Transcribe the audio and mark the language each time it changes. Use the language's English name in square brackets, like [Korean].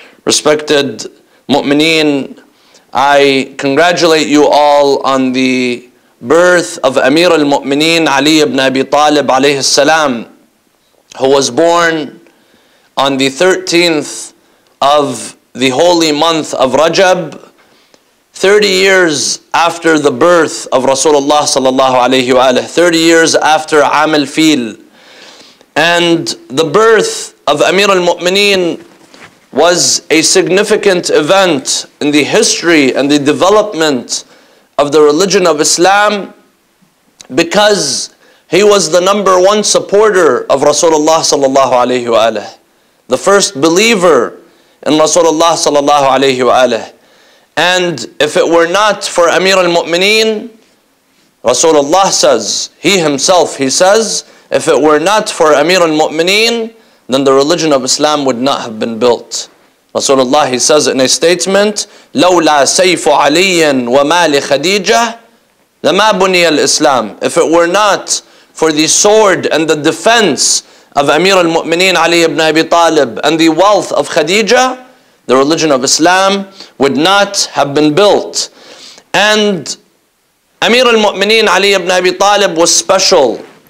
[English] Respected مؤمنين I congratulate you all on the birth of أمير المؤمنين علي بن أبي طالب عليه السلام who was born on the 13th of the holy month of Rajab, 30 years after the birth of Rasulullah sallallahu alayhi wa alayhi, 30 years after Am al-Fil. And the birth of Amir al-Mu'mineen was a significant event in the history and the development of the religion of Islam because he was the number one supporter of Rasulullah sallallahu alayhi wa alayhi, the first believer in Rasulullah sallallahu alayhi wa alayhi. And if it were not for Amir al-Mu'mineen, Rasulullah says, he himself, he says, if it were not for Amir al-Mu'mineen, then the religion of Islam would not have been built. Rasulullah, he says in a statement, [Arabic] لَوْلَا سَيْفُ عَلِيٍّ وَمَا لِخَدِيجَةٍ لَمَا بُنِيَ الْإِسْلَامِ. [English] If it were not for the sword and the defense of Amir al-Mu'mineen Ali ibn Abi Talib and the wealth of Khadija, the religion of Islam would not have been built. And Amir al-Mu'mineen Ali ibn Abi Talib was special.